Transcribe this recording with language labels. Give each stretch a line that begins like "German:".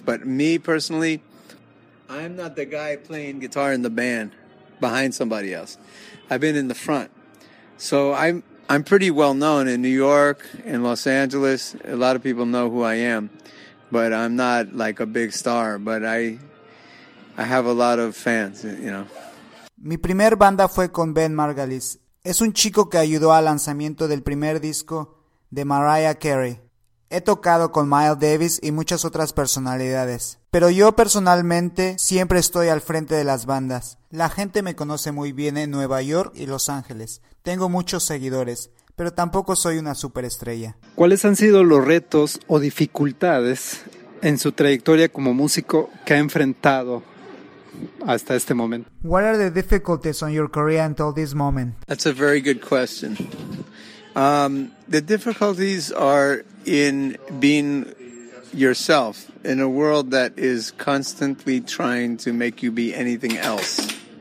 English: But me personally, I'm not the guy playing guitar in the band behind somebody else. I've been in the front. So I'm pretty well known in New York, in Los Angeles. A lot of people know who I am, but I'm not like a big star, but I have a lot of fans, you know.
Spanish: Mi primer banda fue con Ben Margulies. Es un chico que ayudó al lanzamiento del primer disco de Mariah Carey. He tocado con Miles Davis y muchas otras personalidades, pero yo personalmente siempre estoy al frente de las bandas. La gente me conoce muy bien en Nueva York y Los Ángeles. Tengo muchos seguidores, pero tampoco soy una superestrella. ¿Cuáles han sido los retos o dificultades en su trayectoria como músico que ha enfrentado hasta este momento?
English: What are the difficulties on your career until this moment? That's a very good question. The difficulties are in being yourself in a world that is constantly trying to make you be anything else.